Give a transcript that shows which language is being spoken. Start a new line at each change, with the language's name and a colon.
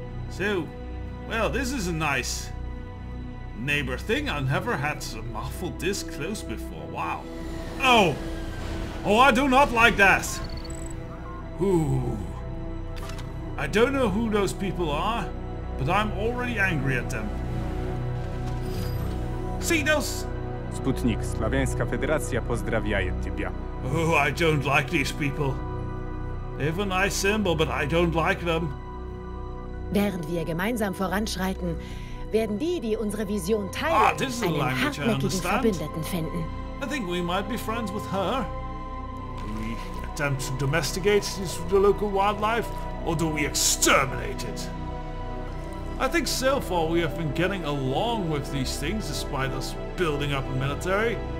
English: So, well, this is a nice neighbor thing. I never had some awful disc close before. Wow. Oh, I do not like that. Ooh. I don't know who those people are, but I'm already angry at them. See those?
Polish: Sputnik, Slavianska Federacja pozdrawiaje tibia.
English: Oh, I don't like these people. They have a nice symbol, but I don't like them.
German: Während wir gemeinsam voranschreiten, werden die, die unsere Vision teilen, einen hartnäckigen Verbündeten finden.
English: I think we might be friends with her. We attempt to domesticate this, the local wildlife. Or do we exterminate it? I think so far we have been getting along with these things despite us building up a military.